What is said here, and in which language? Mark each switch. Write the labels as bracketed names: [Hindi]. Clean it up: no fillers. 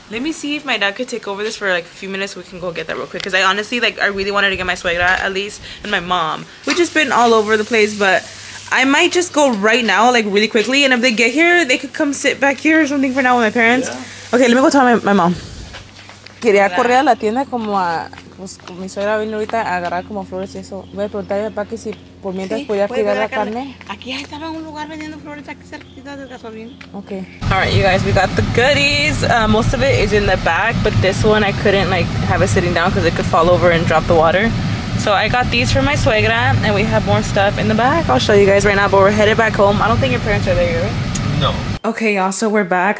[English] Let me see if my dad could take over this for like a few minutes. We can go get that real quick. Because I honestly, like, I really wanted to get my suegra at least, and my mom. We've just been all over the place, but I might just go right now, like, really quickly. And if they get here, they could come sit back here or something for now with my parents. Yeah. Okay, let me go tell my mom. [Spanish] Quería correr a la tienda como a... Pues mi suegra vino ahorita a agarrar como flores y eso. Voy a preguntar a mi papá que si por mientras sí, podía pegar la carne. Aquí estaba en un lugar vendiendo flores aquí cerca del gasolina. Okay. [English] All right, you guys, we got the goodies. Most of it is in the bag, but this one I couldn't like have it sitting down because it could fall over and drop the water. So I got these for my suegra, and we have more stuff in the bag. I'll show you guys right now, but we're headed back home. I don't think your parents are there, right? No. Okay, y'all, so we're back.